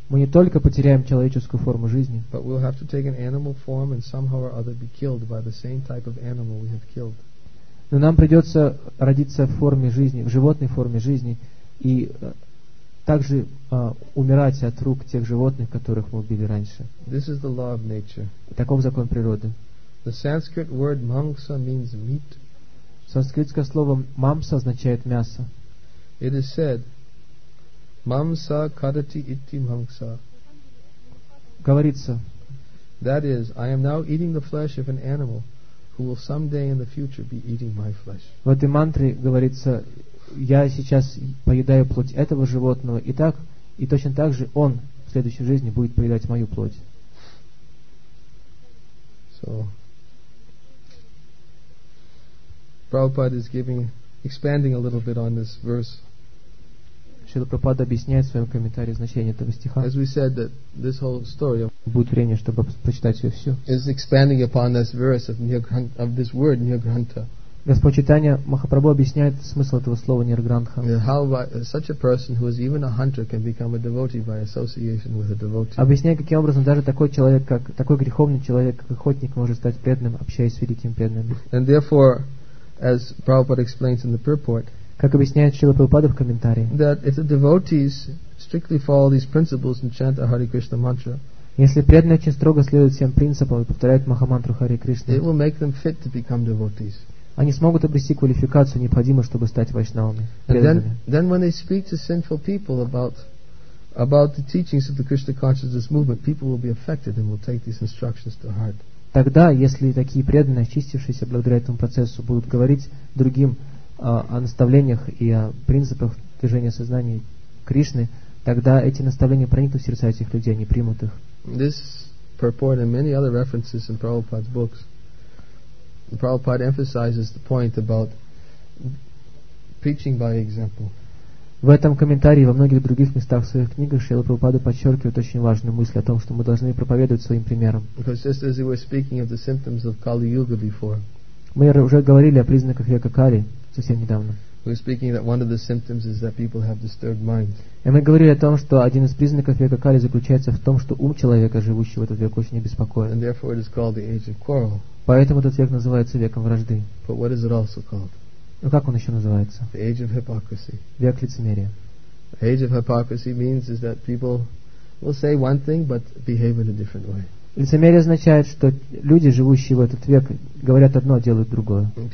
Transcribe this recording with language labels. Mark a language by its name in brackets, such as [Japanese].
[Russian] мы не только потеряем человеческую форму жизни, [English] but we'll have to take an animal form and somehow or other be killed by the same type of animal we have killed. [Russian] Но нам придется родиться в форме жизни, в животной форме жизни, и также умирать от рук тех животных, которых мы убили раньше. [English] This is the law of nature. [Russian] Таков закон природы. [English] The Sanskrit word mangsa means meat. [Russian] Санскритское слово мамса означает мясо. [English] It is said, [Sanskrit] mamsa kadati iti mangsa. [Russian] Говорится. [English] That is, I am now eating the flesh of an animal who will someday in the future be eating my flesh. [Russian] В этой мантре говорится, я сейчас поедаю плоть этого животного, и так, и точно так же он в следующей жизни будет поедать мою плоть. [English] So, Prabhupada is giving, expanding a little bit on this verse. [Russian] Шрила Прабхупада объясняет в своем комментарии значение этого стиха. [English] As we said, that this whole story [Russian] будет время, чтобы прочитать ее всю. [English] Is expanding upon this verse of this word Nirgrantha. [Russian] Господь Чайтанья Махапрабху объясняет смысл этого слова Нирграндха. [English] How such a person who is even a hunter can become a devotee by association with a devotee. [Russian] Объясняет, каким образом даже такой человек, как такой греховный человек, как охотник, может стать преданным, общаясь с великим преданным. [English] And therefore, as Prabhupada explains in the purport, [Russian] как объясняет Шрила Прабхупада в комментарии, [English] that if the devotees strictly follow these principles and chant the Hare Krishna mantra, [Russian] если преданные очень строго следуют всем принципам и повторяют Махамантру Харе Кришна, [English] they will make them fit to become devotees. [Russian] Они смогут обрести квалификацию, необходимую, чтобы стать вайшнавами. [English] Then when they speak to sinful people about the teachings of the Krishna consciousness movement, people will be affected and will take these instructions to heart. [Russian] Тогда, если такие преданные, очистившиеся благодаря этому процессу, будут говорить другим о наставлениях и о принципах движения сознания Кришны, тогда эти наставления проникнут в сердца этих людей, они примут их. [English] This purport and many other references in Prabhupada's books, Prabhupada emphasizes the point about preaching by example. [Russian] В этом комментарии и во многих других местах в своих книгах Шрила Прабхупада подчеркивает очень важную мысль о том, что мы должны проповедовать своим примером. [English] Because just as we were speaking of the symptoms of Kali Yuga before, [Russian] Мы уже говорили о признаках Йогакали совсем недавно. И мы говорили о том, что один из признаков Йогакали заключается в том, что ум человека, живущего в этот век, очень обеспокоен. [English] And therefore it is called the age of quarrel. [Russian] Поэтому этот век называется веком вражды. [English] But what is it also called? [Russian] Но как он еще называется? [English] The age of hypocrisy. [Russian] Век лицемерия. [English] The age of hypocrisy means is that people will say one thing, but behave in a different way. [Russian] Лицемерие означает, что люди, живущие в этот век, говорят одно, а делают другое.